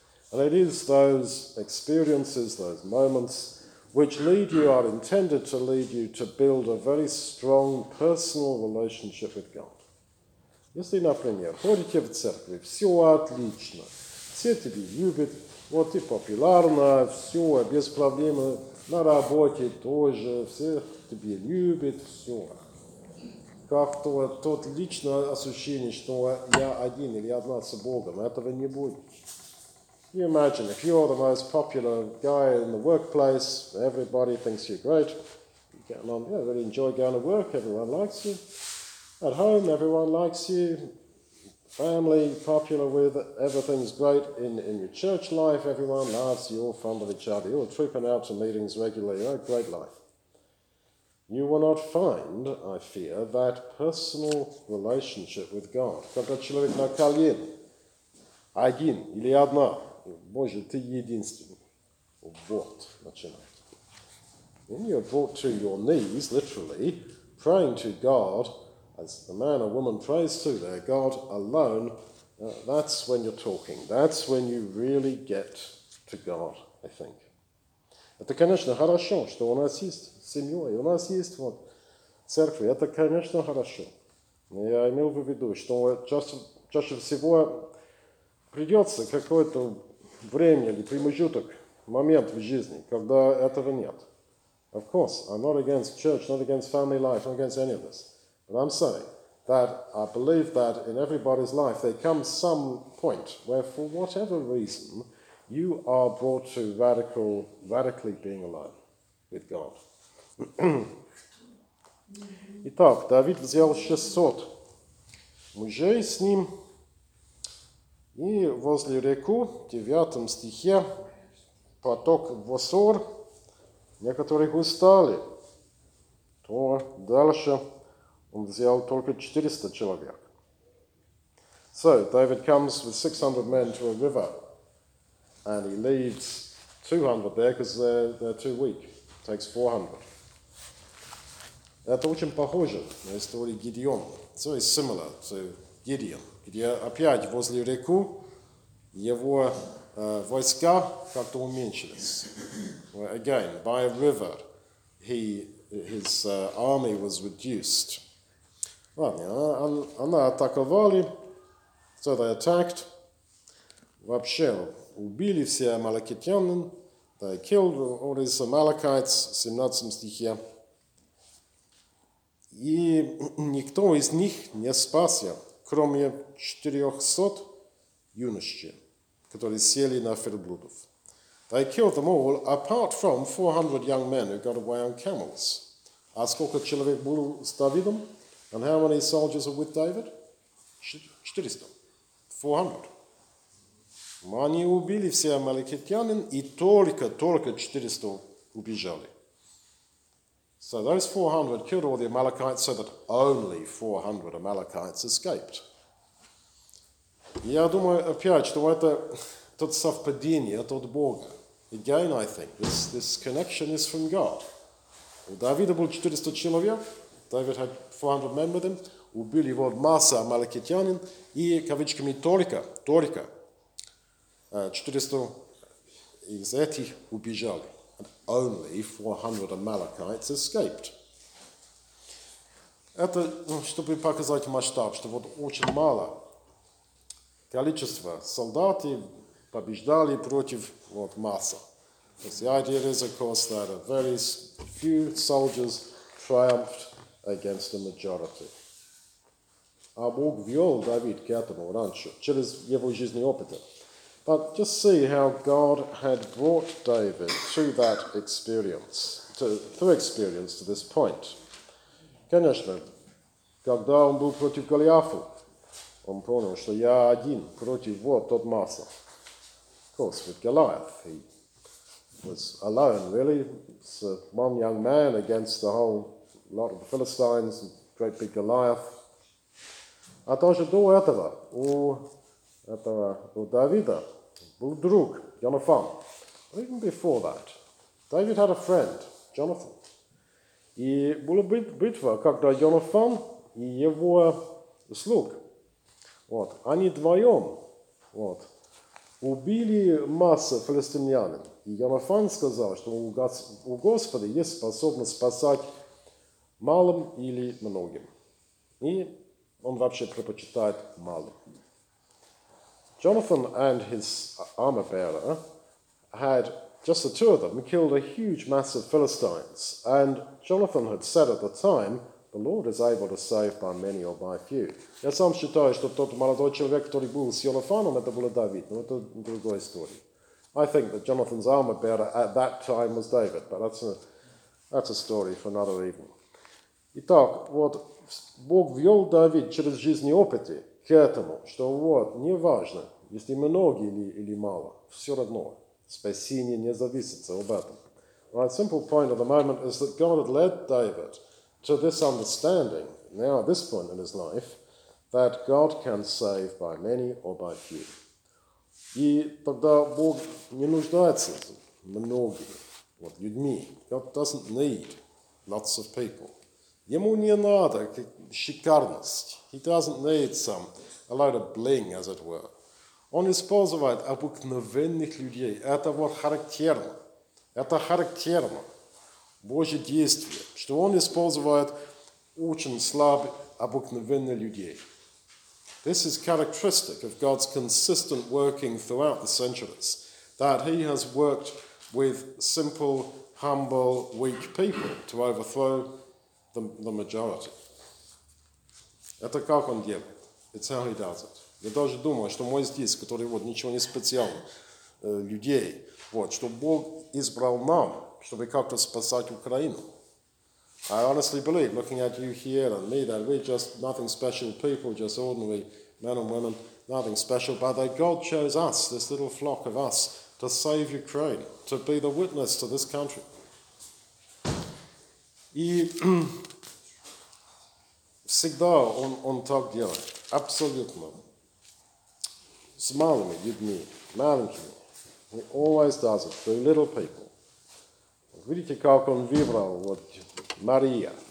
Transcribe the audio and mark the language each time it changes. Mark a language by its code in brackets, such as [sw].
[en] And it is those experiences, those moments, which lead you, are intended to lead you, to build a very strong personal relationship with God. [ru] Если, например, ходите в церковь, все отлично, все тебя любят, вот ты популярна, все, без проблем, на работе тоже, все тебя любят, все. Как-то тот личное ощущение, что я один или одна с Богом, этого не будет. [en] You imagine, if you're the most popular guy in the workplace, everybody thinks you're great, you're getting on, yeah, really enjoy going to work, everyone likes you. At home, everyone likes you. Family, popular with, everything's great. In your church life, everyone laughs, you're all fond of each other, you're tripping out to meetings regularly, you're a great life. You will not find, I fear, that personal relationship with God. [ru] Когда человек на колен, один или одна, Боже, ты единственный. Вот, начинает. [en] When you're brought to your knees, literally, praying to God, as the man or woman prays to their God alone, that's when you're talking. That's when you really get to God, I think. [ru] Это, конечно, хорошо, что у нас есть семья, и у нас есть вот церковь. Это, конечно, хорошо. Я имел в виду, что чаще всего придется какое-то время или промежуток, момент в жизни, когда этого нет. [en] Of course, I'm not against church, not against family life, not against any of this. But I'm saying that I believe that in everybody's life there comes some point where, for whatever reason, you are brought to radically being alone with God. [ru] Итак, Давид взял 600 мужей с ним. И возле реку, в 9 стихе, поток Восор, некоторые устали, то дальше он взял только 400 человек. [en] So, David comes with 600 men to a river, and he leaves 200 there, because they're too weak, takes 400. [ru] Это очень похоже на историю Гидеона. [en] It's very similar to Gideon, [ru] где опять возле реку его войска как-то уменьшились. [en] Again, by a river, his army was reduced. [ru] Ладно, она атаковали, [en] so they attacked. [ru] Вообще, убили все амалекитян, [en] they killed all these Amalekites, [ru] 17 стихе. И никто из них не спасся, кроме 400 юношей, которые сели на верблюдов. [en] They killed them all, apart from 400 young men who got away on camels. [ru] A сколько человек было с Давидом? [en] And how many soldiers are with David? 400. 400. [ru] Они убили все амаликитян, и только 400 убежали. [en] So those 400 killed all the Amalekites, so that only 400 Amalekites escaped. [ru] Я думаю, опять, что это тот совпадение, тот Бог. [en] Again, I think this connection is from God. [ru] У Давида было 400 человек. [en] David had 400 men with him. [ru] Убили вот масса амаликитян, и кавычками только 400 из этих убежали. [en] Only 400 Amalekites escaped. [ru] Это, чтобы показать масштаб, что вот очень мало количество солдат побеждали против вот масса. [en] Because the idea is, of course, that a very few soldiers triumphed against the majority. [ru] А Бог вел Давид к этому раньше, через его жизненный опыт. [en] But just see how God had brought David through that experience, to this point. [ru] Конечно, когда он был против Голиафа, он понял, что я один против вот тот масса. [en] Of course, with Goliath, he was alone, really. It's one young man against the whole lot of the Philistines, great big Goliath. [ru] А также до этого, у Давида, был друг, Jonathan. [en] Even before that, David had a friend, Jonathan. [ru] И была битва, когда Jonathan и его слуг, вот, они вдвоем, вот, убили массу филистимлян. И Jonathan сказал, что у Господа есть способность спасать малым или многим. И он вообще предпочитает малым. [en] Jonathan and his armor bearer had, just the two of them, killed a huge mass of Philistines. And Jonathan had said at the time, the Lord is able to save by many or by few. [ru] Я сам считаю, что тот молодой человек, который был с Jonathanом, это был Давид, но это другая история. [en] I think that Jonathan's armor bearer at that time was David, but that's a story for another evening. [ru] Итак, вот Бог вел Давид через жизненные опыты, к этому, что вот, не важно, если много или мало, все равно, спасение не зависит от этого. [en] My simple point at the moment is that God had led David to this understanding, now at this point in his life, that God can save by many or by few. [ru] И тогда Бог не нуждается многими, вот, людьми. [en] God doesn't need lots of people. [ru] Ему не надо шикарность. [en] He doesn't need some, a load of bling, as it were. [ru] Он использует обыкновенных людей. Это вот характерно. Это характерно Божье действие, что он использует очень слабых, обыкновенных людей. [en] This is characteristic of God's consistent working throughout the centuries, that he has worked with simple, humble, weak people to overthrow the majority. [ru] Это как он делает? [en] It's how he does it. [ru] Я даже думаю, что мой здесь, который вот ничего не специально, людей, вот, что Бог избрал нам, чтобы как-то спасать Украину. [en] I honestly believe, looking at you here and me, that we're just nothing special people, just ordinary men and women, nothing special, but that God chose us, this little flock of us, to save Ukraine, to be the witness to this country. [ru] И всегда он так делает, абсолютно, с малыми людьми, маленькими. [en] He always does it through little people. [ru] Видите, как он выбрал вот Мария.